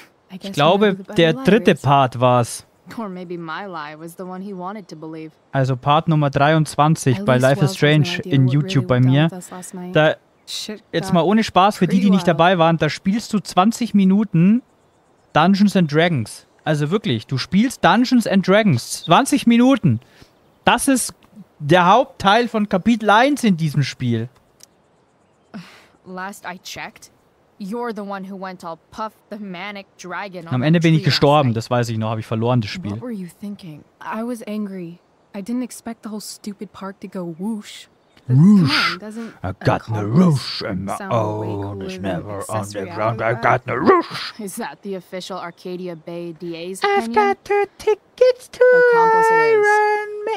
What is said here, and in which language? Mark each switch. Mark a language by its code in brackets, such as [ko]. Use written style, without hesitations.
[de] Ich glaube, der dritte Part war's. [en] Or maybe my lie was the one he wanted to believe. [de] Also Part Nummer 23 bei Life is Strange in YouTube bei mir. Da, jetzt mal ohne Spaß für die, die nicht dabei waren, da spielst du 20 Minuten Dungeons and Dragons. Also wirklich, du spielst Dungeons and Dragons. 20 Minuten. Das ist der Hauptteil von Kapitel 1 in diesem Spiel. [en] Last I checked, you're the one who went all puff the manic dragon. [de] Am Ende bin ich gestorben, das weiß ich noch, habe ich verloren das Spiel. [en] What were you thinking? I was angry. I didn't expect the whole stupid park to go whoosh. Whoosh. I got no whoosh in my own. It's never underground. I got no whoosh. Is that the official Arcadia Bay DA's opinion? I've got two tickets to Iron Man.